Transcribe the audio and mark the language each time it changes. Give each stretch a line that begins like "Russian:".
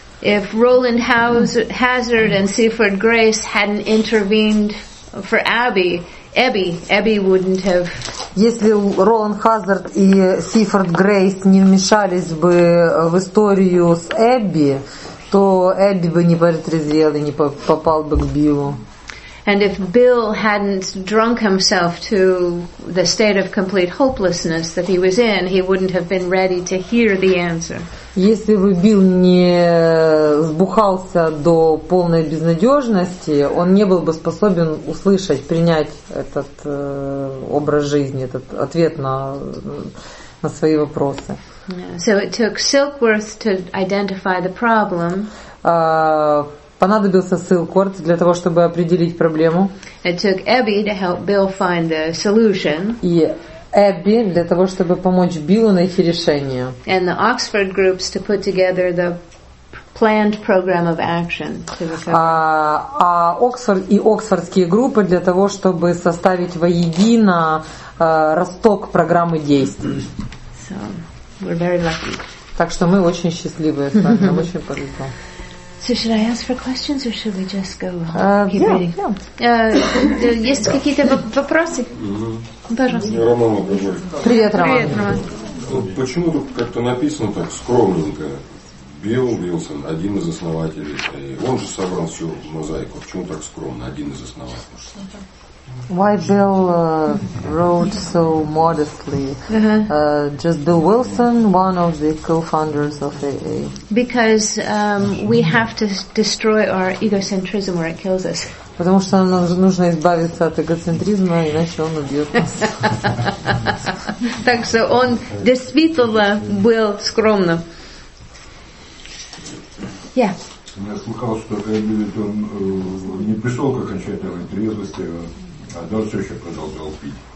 English: If Roland Hazard and Seaford Grace hadn't intervened for Abby, Abby wouldn't have.
Russian: Если Роланд Хазард и Сифорд Грейс не вмешались бы в историю с Эбби, то Эбби бы не протрезвел и не попал бы к Биллу.
English: And if Bill hadn't drunk himself to the state of complete hopelessness that he was in, he wouldn't have been ready to hear the answer.
Russian: Если бы Билл не сбухался до полной безнадежности, он не был бы способен услышать, принять этот образ жизни, этот ответ на свои вопросы.
English: So it took Silkworth to identify the problem.
Russian: Понадобился Silkworth для того, чтобы определить проблему.
English: It took Abby to help Bill find the solution.
Russian: И Эбби для того, чтобы помочь Биллу найти решение.
English: And the Oxford groups to put together the planned program of action.
Russian: Оксфорд и оксфордские группы для того, чтобы составить воедино росток программы действий.
English: So, we're very lucky.
Russian: Так что мы очень счастливы с вами, нам очень повезло.
English: So should I ask for questions or should we just go keep reading?
Russian: Есть какие-то вопросы? Пожалуйста. Роман, пожалуйста. Привет, Роман. Привет, Роман. Почему тут как-то написано так скромненько? Билл Уилсон, один из основателей. Он же собрал всю мозаику. Почему так скромно? Один из основателей.
English: Why Bill wrote so modestly? Just Bill Wilson, one of the co-founders of AA. Because we have to destroy our egocentrism or it kills us.
Russian: Потому что нам нужно избавиться от эгоцентризма, иначе он убьет нас. Так что он действительно был скромным.
English: Yeah.
Russian: Я слыхал, что Эбби он не пришел к окончательной трезвости, а дальше еще продолжал пить.